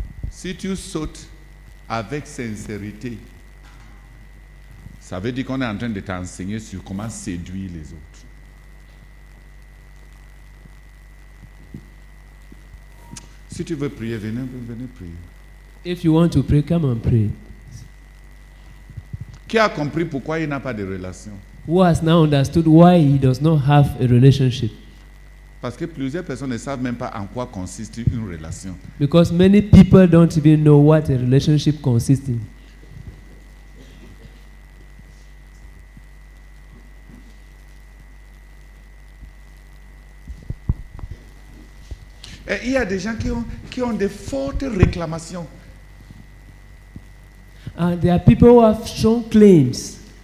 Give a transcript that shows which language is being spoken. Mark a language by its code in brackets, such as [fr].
[fr] Si tu sautes avec sincérité, ça veut dire qu'on est en train de t'enseigner sur comment séduire les autres. Si tu veux prier, venez prier. [en] If you want to pray, come and pray. [fr] Qui a compris pourquoi il n'a pas de relation? [en] Who has now understood why he does not have a relationship? [fr] Parce que plusieurs personnes ne savent même pas en quoi consiste une relation. [en] Because many people don't even know what a relationship consists in. [fr] Et il y a des gens qui ont de fortes réclamations. [en] And there are people who have strong claims.